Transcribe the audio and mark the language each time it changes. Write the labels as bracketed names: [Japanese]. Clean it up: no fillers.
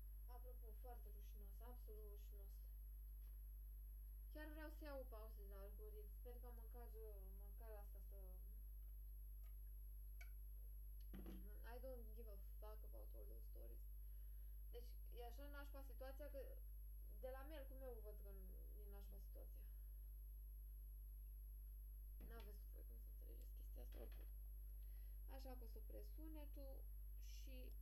[Romanian] Apropo, foarte rușinos, absolut rușinos. Chiar vreau să iau o pauză de algoritm. Sper că mâncarea asta să... [English] I don't give a fuck about all those stories. [Romanian] Deci, e așa nașpa situația că... De la mine, cum eu văd că e nașpa situația? N-aveți voi cum să înțelegeți chestia asta. Așa că o să opresc sunetul și...